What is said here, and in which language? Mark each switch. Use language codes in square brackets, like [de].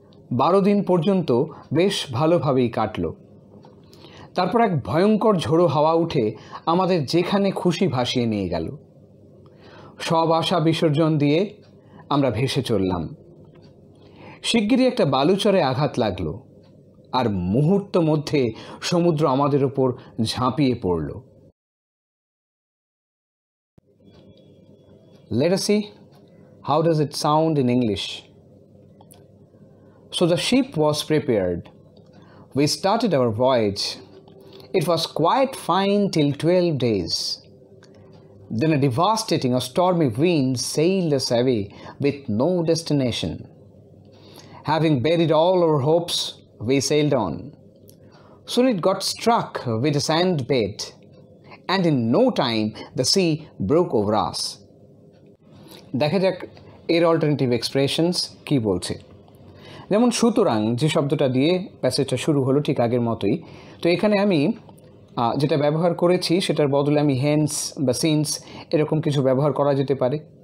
[bn] 12 দিন পর্যন্ত বেশ ভালোভাবেই কাটল। তারপর এক ভয়ঙ্কর ঝোড়ো হাওয়া উঠে আমাদের যেখানে খুশি ভাসিয়ে নিয়ে গেল। সব আশা বিসর্জন দিয়ে আমরা ভেসে চললাম। শিগগিরই একটা বালুচরে আঘাত লাগল, আর মুহূর্ত মধ্যে সমুদ্র আমাদের ওপর ঝাঁপিয়ে পড়ল। [en] Let us see how does it sound in English. So the ship was prepared. We started our voyage. It was quite fine till 12 days. Then a devastating or stormy wind sailed us away with no destination. Having buried all our hopes, we sailed on. Soon it got struck with a sand bed, and in no time the sea broke over us. [bn] দেখে যাক এর alternative expressions কি বলছে। যেমন সুতরাং যে শব্দটা দিয়ে প্যাসেজটা শুরু হলো ঠিক আগের মতোই, তো এখানে আমি যেটা ব্যবহার করেছি সেটার বদলে আমি হেন্স বা সিন্স এরকম কিছু ব্যবহার করা যেতে পারে।